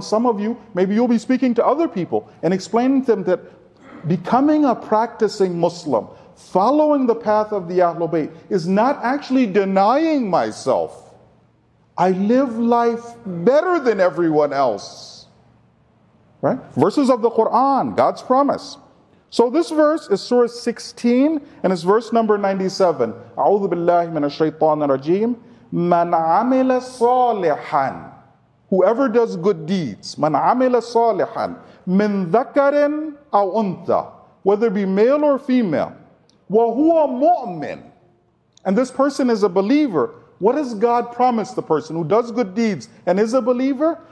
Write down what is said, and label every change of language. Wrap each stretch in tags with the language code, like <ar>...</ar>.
<en>Some of you, maybe you'll be speaking to other people and explaining to them that becoming a practicing Muslim, following the path of the Ahlul Bayt, is not actually denying myself. I live life better than everyone else. Right? Verses of the Quran, God's promise. So this verse is Surah 16 and it's verse number 97.</en> <ar>أعوذ بالله من الشيطان الرجيم. من عمل صالحا,</ar> <en>whoever does good deeds, من عمل صالحا,</en> <ar>من ذكر أو أنثى,</ar> <en>whether it be male or female,</en> <ar>وهو مؤمن,</ar> <en>and this person is a believer, what does God promise the person who does good deeds and is a believer?</en>